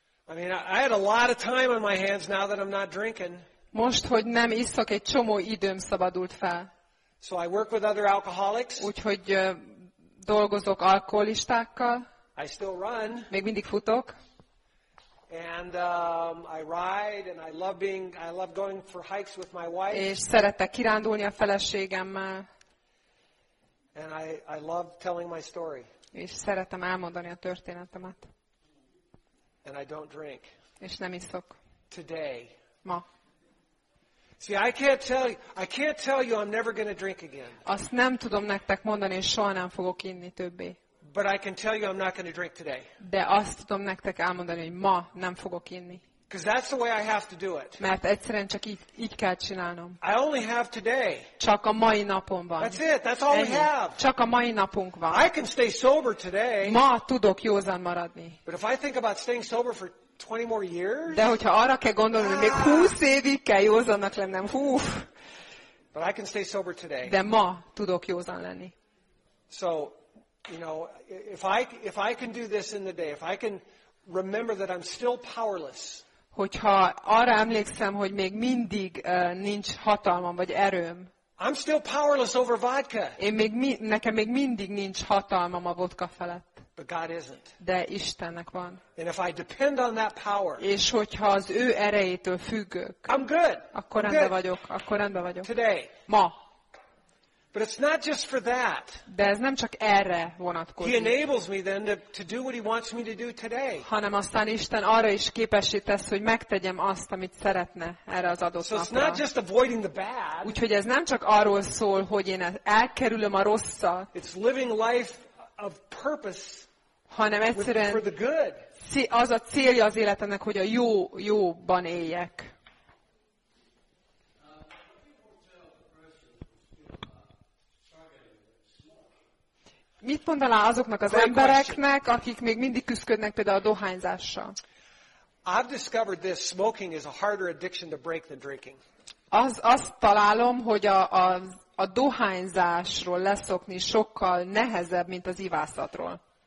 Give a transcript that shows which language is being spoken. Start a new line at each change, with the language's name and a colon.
English: I mean, I had a lot of time on my hands now that I'm not drinking.
Hungarian: Most, hogy nem iszok, egy csomó időm szabadult fel.
English: So I work with other alcoholics.
Hungarian: Úgyhogy dolgozok alkoholistákkal.
English: I still run.
Hungarian: Még mindig futok.
English: And I ride, and I love going for hikes with my wife.
Hungarian: És szeretek kirándulni a feleségemmel.
English: And I love telling my story.
Hungarian: És szeretem elmondani a történetemet.
English: And I don't drink.
Hungarian: És nem iszok.
English: Today.
Hungarian: Ma.
English: See, I can't tell you I'm never going to drink again.
Hungarian: Azt nem tudom nektek mondani, és soha nem fogok inni többé.
English: But I can tell you I'm not going to drink today.
Hungarian: De azt tudom nektek elmondani, hogy ma nem fogok inni.
English: Because that's the way I have to do it.
Hungarian: Mert egyszerűen csak így kell csinálnom.
English: I only have today.
Hungarian: Csak a mai napom van.
English: That's it. That's all
Hungarian: Ennyi.
English: We have.
Hungarian: Csak a mai napunk van.
English: I can stay sober today.
Hungarian: Ma tudok józan maradni.
English: But if I think about staying sober for 20 more years?
Hungarian: De hogyha arra kell gondolni, hogy még 20 évig kell józannak lennem, hú.
English: But I can stay sober today.
Hungarian: De ma tudok józan lenni.
English: So, you know, if I can do this in the day, if I can remember that I'm still powerless.
Hungarian: Hogyha arra emlékszem, hogy még mindig nincs hatalmam vagy erőm.
English: I'm still powerless over vodka.
Hungarian: Nekem még mindig nincs hatalmam a vodka felett.
English: But God isn't.
Hungarian: De Istennek van.
English: And if I depend on that power,
Hungarian: és hogyha az ő erejétől függök,
English: I'm good.
Hungarian: Akkor rendben vagyok. Akkor rendben vagyok.
English: Today.
Hungarian: Ma.
English: But it's not just for that.
Hungarian: De ez nem csak erre vonatkozik.
English: He enables me then to do what he wants me to do today.
Hungarian: Hanem aztán Isten arra is képessé tesz, hogy megtegyem azt, amit szeretne erre az adott napra.
English: So it's not just avoiding the bad.
Hungarian: Úgyhogy ez nem csak arról szól, hogy én elkerülöm a rosszat.
English: It's living life of purpose,
Hungarian: hanem egyszerűen
English: for the good.
Hungarian: Az a célja az életemnek, hogy a jóban éljek. Mit mondaná azoknak az
English: Great
Hungarian: embereknek,
English: question.
Hungarian: Akik még mindig küszködnek például a dohányzással?
English: I've discovered this, smoking is a harder addiction to break than drinking.
Hungarian: Azt találom, hogy a dohányzásról leszokni sokkal nehezebb, mint az ivászatról.